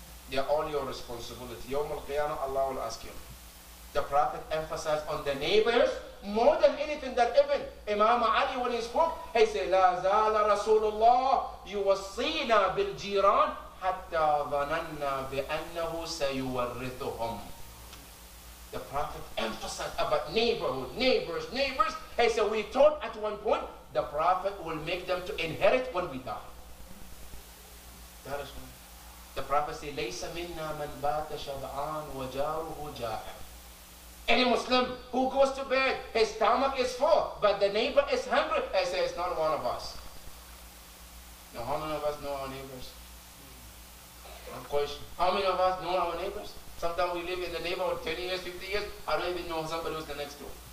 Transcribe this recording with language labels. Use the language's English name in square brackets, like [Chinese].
[English] They are all your responsibility. Yawm al-Qiyamah, Allah will ask you. The Prophet emphasized on the neighbors more than anything that even Imam Ali, when he spoke, he said, [Arabic] لَا زَالَ رَسُولُ اللَّهِ يُوَصِّيْنَا بِالْجِيرَانِ حَتَّى ظَنَنَّا بِأَنَّهُ سَيُوَرِّثُهُمْ. [English] The Prophet emphasized about neighborhood, neighbors, neighbors. He said, we thought at one point, the Prophet will make them to inherit when we die. That is why. The Prophet said, [Arabic] لَيْسَ مِنَّا مَنْ بَاتَ شَبْعَانُ وَجَارُهُ جَائِعٌ. [English] Any Muslim who goes to bed, his stomach is full, but the neighbor is hungry, I say, it's not one of us. No, how many of us know our neighbors? One question. How many of us know our neighbors? Sometimes we live in the neighborhood 20 years, 50 years, I don't even know somebody who's the next door.